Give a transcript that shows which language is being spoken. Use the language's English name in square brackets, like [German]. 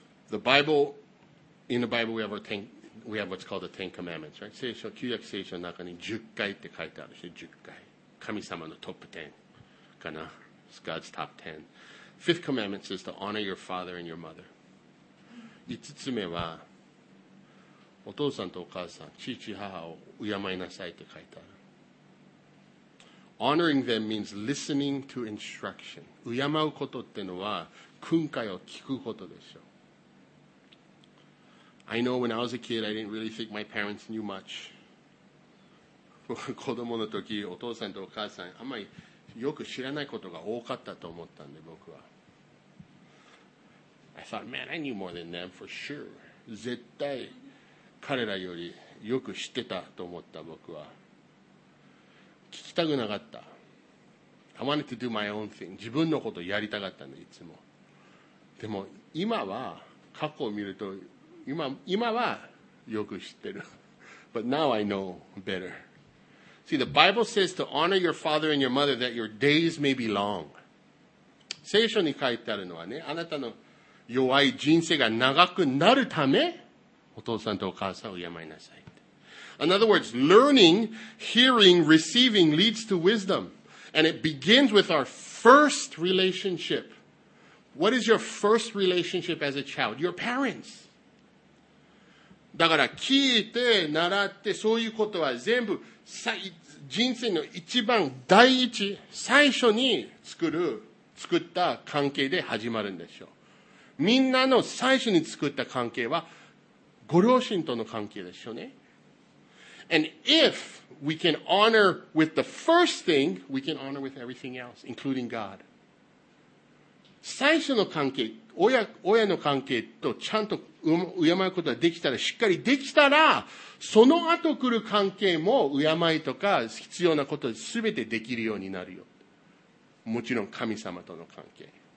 [English] The Bible, in the Bible we have our ten, we have what's called the Ten Commandments, right? [Japanese] 聖書、旧約聖書の中に十回って書いてあるし、十回。神様のトップ10かな。 [English] It's God's top ten. Fifth commandment says to honor your father and your mother. [Japanese] 五つ目は、お父さんとお母さん、父母を敬いなさいって書いてある。 [English] Honoring them means listening to instruction. [Japanese] 敬うことってのは、訓戒を聞くことでしょう。 [English] I know when I was a kid, I didn't really think my parents knew much. [Japanese] 子供の時、お父さんとお母さん、あんまりよく知らないことが多かったと思ったんで、僕は。 [English] I thought, man, I knew more than them for sure. [Japanese] 絶対彼らよりよく知ってたと思った、僕は。聞きたくなかった。 [English] I wanted to do my own thing. [Japanese] 自分のことやりたかったんで、いつも。でも、今は、過去を見ると、今はよく知ってる。 [English] But now I know better. See, the Bible says to honor your father and your mother that your days may be long. [Japanese] 聖書に書いてあるのはね、あなたの弱い人生が長くなるため、お父さんとお母さんを敬いなさい。 [English] In other words, learning, hearing, receiving leads to wisdom. And it begins with our first relationship. What is your first relationship as a child? Your parents. [Japanese] だから聞いて、習って、そういうことは全部人生の一番第一、最初に作った関係で始まるんでしょう。みんなの最初に作った関係はご両親との関係ですよね。 [English] And if we can honor with the first thing, we can honor with everything else, including God. [Japanese] 最初の関係、親の関係とちゃんと敬うことができたら、しっかりできたら、その後来る関係も敬いとか必要なことすべてできるようになるよ。もちろん神様との関係。